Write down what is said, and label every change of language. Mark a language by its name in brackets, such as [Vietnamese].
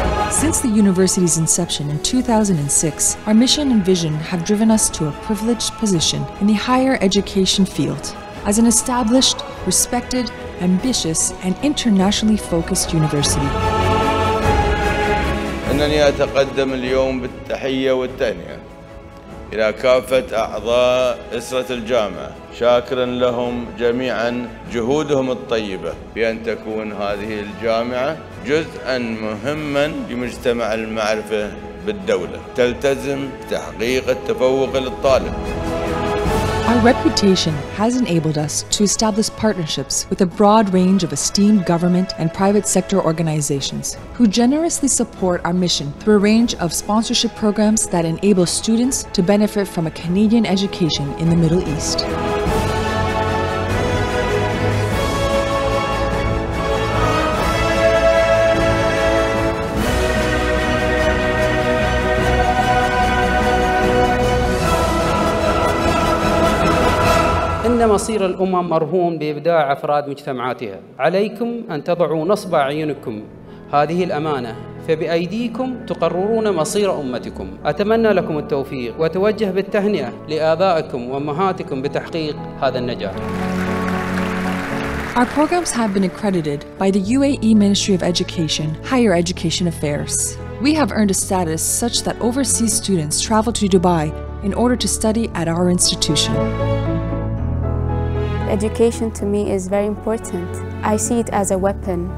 [English] Since the university's inception in 2006, our mission and vision have driven us to a privileged position in the higher education field as an established, respected, ambitious, and internationally focused university. [Arabic] أنني أتقدم اليوم بالتحية والتهنية إلى كافة أعضاء أسرة الجامعة شاكراً لهم جميعاً جهودهم الطيبة بأن تكون هذه الجامعة جزءاً مهماً لمجتمع المعرفة بالدولة تلتزم تحقيق التفوق للطالب. [English] Our reputation has enabled us to establish partnerships with a broad range of esteemed government and private sector organizations who generously support our mission through a range of sponsorship programs that enable students to benefit from a Canadian education in the Middle East. [Arabic] إن مصير الأمم مرهون بإبداع أفراد مجتمعاتها عليكم أن تضعوا نصب أعينكم هذه الأمانة فبأيديكم تقررون مصير أمتكم أتمنى لكم التوفيق وتوجه بالتهنئة لآبائكم وأمهاتكم بتحقيق هذا النجاح. [English] Our programs have been accredited by the UAE Ministry of Education, Higher Education Affairs. We have earned a status such that overseas students travel to Dubai in order to study at our institution. Education to me is very important. I see it as a weapon.